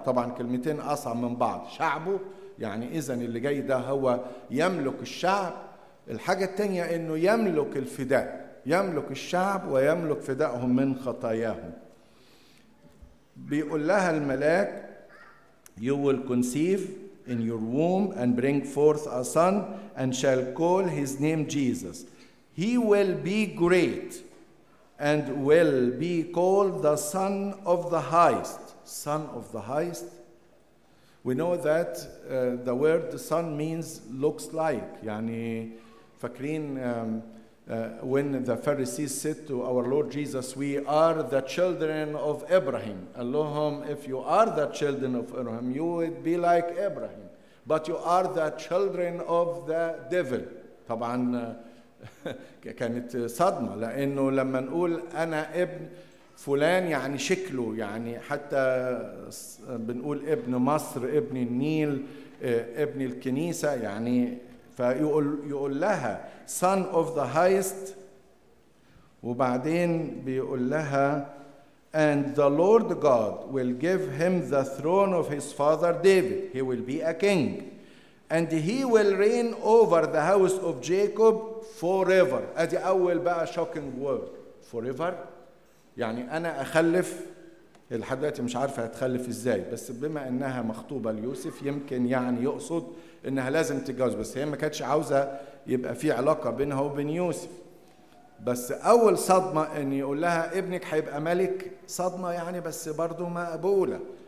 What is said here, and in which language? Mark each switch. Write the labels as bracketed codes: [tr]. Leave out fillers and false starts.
[ar] طبعا كلمتين أصعب من بعض، شعبه يعني إذن اللي جاي ده هو يملك الشعب، الحاجة التانية إنه يملك الفداء، يملك الشعب ويملك فدائهم من خطاياهم. [en] بيقول لها الملاك، "You will conceive in your womb and bring forth a son and shall call his name Jesus. He will be great and will be called the Son of the Highest." Son of the Highest. We know that the word son means looks like. يعني فاكرين when the Pharisees said to our Lord Jesus, "We are the children of Abraham." Allahum, if you are the children of Abraham, you would be like Abraham. But you are the children of the devil. [ar] طبعا كانت صدمة، لأنه لما نقول أنا ابن فلان يعني شكله، يعني حتى بنقول ابن مصر، ابن النيل، ابن الكنيسة، يعني فيقول لها son of the highest، وبعدين بيقول لها and the Lord God will give him the throne of his father David. [en] He will be a king and he will reign over the house of Jacob forever. [ar] ادي اول بقى shocking word forever. يعني أنا أخلف، لحد دلوقتي مش عارفة هتخلف إزاي، بس بما أنها مخطوبة ليوسف يمكن يعني يقصد أنها لازم تتجوز، بس هي ما كانتش عاوزة يبقى في علاقة بينها وبين يوسف. بس أول صدمة أن يقول لها ابنك هيبقى ملك، صدمة يعني، بس برضو مقبولة.